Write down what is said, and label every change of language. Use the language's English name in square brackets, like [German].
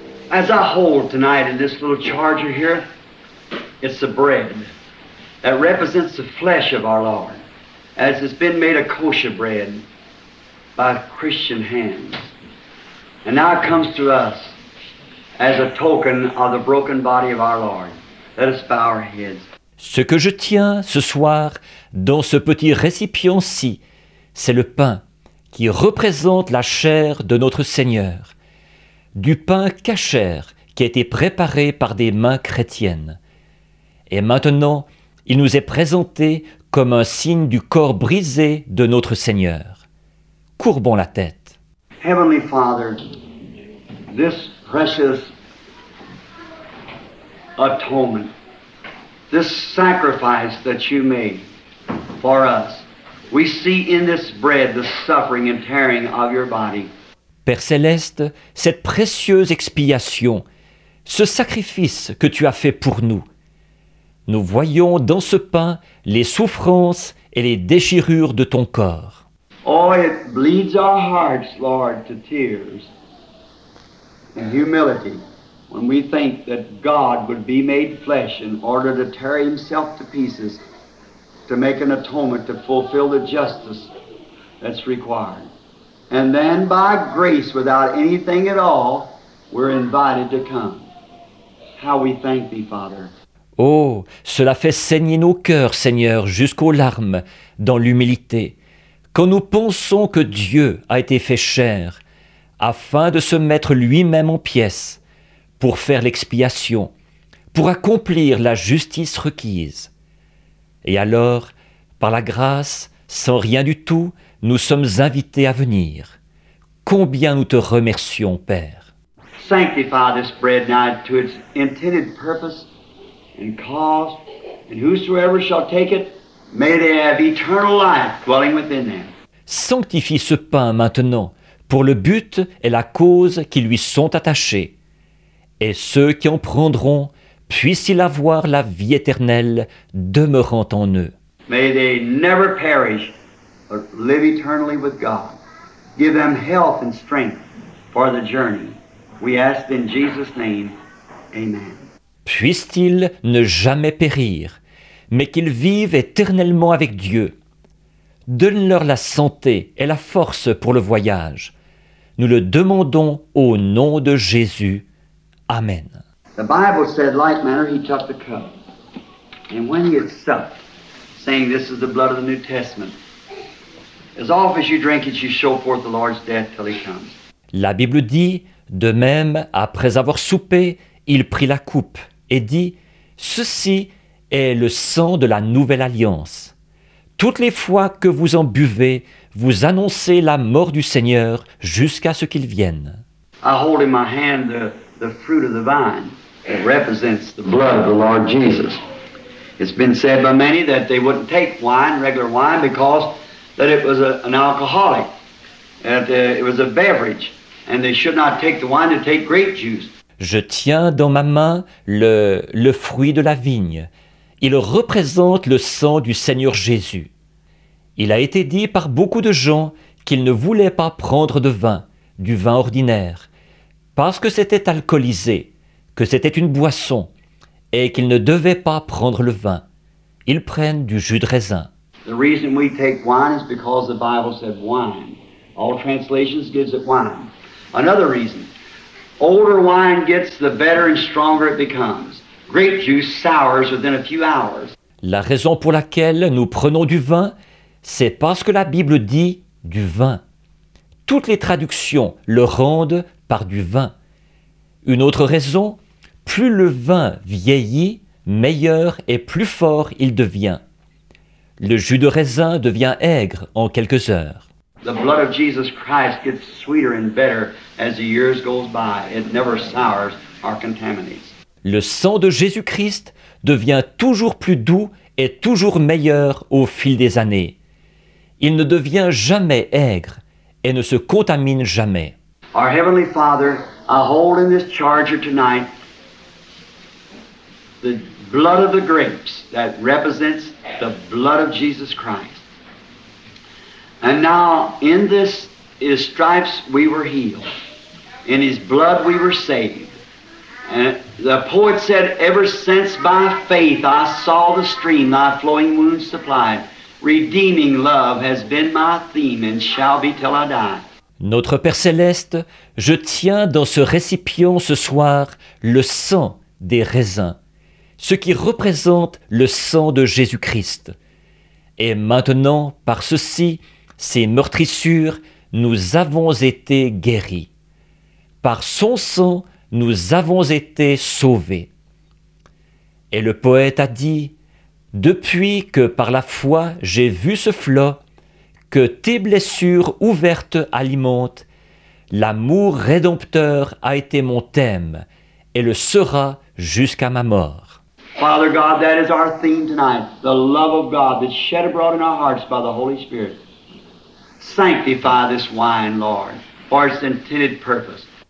[English] As I hold tonight in this little charger here, it's the bread that represents the flesh of our Lord, as it's been made a kosher bread by Christian hands. And now it comes to us as a token of the broken body of our Lord. Let us bow our heads. [French] Ce que je tiens ce soir dans ce petit récipient-ci, c'est le pain qui représente la chair de notre Seigneur. Du pain cachère qui a été préparé par des mains chrétiennes. Et maintenant, il nous est présenté comme un signe du corps brisé de notre Seigneur. Courbons la tête. [English] Heavenly Father, this precious atonement, this sacrifice that you made for us, we see in this bread the suffering and tearing of your body. [French] Père céleste, cette précieuse expiation, ce sacrifice que tu as fait pour nous. Nous voyons dans ce pain les souffrances et les déchirures de ton corps. [English] Oh, it bleeds our hearts, Lord, to tears and humility when we think that God would be made flesh in order to tear himself to pieces to make an atonement to fulfill the justice that's required. And then by grace, without anything at all, we're invited to come. How we thank thee, Father. [French] Oh, cela fait saigner nos cœurs, Seigneur, jusqu'aux larmes, dans l'humilité, quand nous pensons que Dieu a été fait chair, afin de se mettre lui-même en pièces, pour faire l'expiation, pour accomplir la justice requise. Et alors, par la grâce, sans rien du tout, nous sommes invités à venir. Combien nous te remercions, Père. [English] Sanctify this bread now to its intended purpose and cause, and whosoever shall take it, may they have eternal life dwelling within them. [French] Sanctifie ce pain maintenant pour le but et la cause qui lui sont attachés. Et ceux qui en prendront, puissent-ils avoir la vie éternelle demeurant en eux. [English] May they never perish. Live eternally with God. Give them health and strength for the journey. We ask in Jesus' name. Amen. [French] Puissent-ils ne jamais périr, mais qu'ils vivent éternellement avec Dieu. Donne-leur la santé et la force pour le voyage. Nous le demandons au nom de Jésus. Amen. [English] The Bible said, like manner, he took the cup. And when he had supped, saying, this is the blood of the New Testament, as often as you drink it, you show forth the Lord's death till he comes. [French] La Bible dit, de même, après avoir soupé, il prit la coupe et dit, ceci est le sang de la nouvelle alliance. Toutes les fois que vous en buvez, vous annoncez la mort du Seigneur jusqu'à ce qu'il vienne. [English] I hold in my hand the fruit of the vine that represents the blood of the Lord Jesus. It's been said by many that they wouldn't take wine, regular wine, because that it was an alcoholic, that it was a beverage, and they should not take the wine to take grape juice. [French] Je tiens dans ma main le fruit de la vigne. Il représente le sang du Seigneur Jésus. Il a été dit par beaucoup de gens qu'ils ne voulaient pas prendre de vin, du vin ordinaire, parce que c'était alcoolisé, que c'était une boisson, et qu'ils ne devaient pas prendre le vin. Ils prennent du jus de raisin. [English] The reason we take wine is because the Bible said wine. All translations gives it wine. Another reason, older wine gets the better and stronger it becomes. Grape juice sours within a few hours. [French] La raison pour laquelle nous prenons du vin, c'est parce que la Bible dit du vin. Toutes les traductions le rendent par du vin. Une autre raison, plus le vin vieillit, meilleur et plus fort il devient. Le jus de raisin devient aigre en quelques heures. [English] The blood of Jesus Christ gets sweeter and better as the years goes by. It never sours or contaminates. [French] Le sang de Jésus-Christ devient toujours plus doux et toujours meilleur au fil des années. Il ne devient jamais aigre et ne se contamine jamais. [English] Our Heavenly Father, I hold in this charger tonight the blood of the grapes that represents the blood of Jesus Christ. And now in this, his stripes we were healed. In his blood we were saved. The poet said, ever since by faith I saw the stream thy flowing wounds supplied, redeeming love has been my theme and shall be till I die. [French] Notre Père Céleste, je tiens dans ce récipient ce soir le sang des raisins, ce qui représente le sang de Jésus-Christ. Et maintenant, par ceci, ces meurtrissures, nous avons été guéris. Par son sang, nous avons été sauvés. Et le poète a dit, « Depuis que par la foi j'ai vu ce flot, que tes blessures ouvertes alimentent, l'amour rédempteur a été mon thème et le sera jusqu'à ma mort. » [English] Father God, that is our theme tonight, the love of God that's shed abroad in our hearts by the Holy Spirit. Sanctify this wine, Lord, for its intended purpose.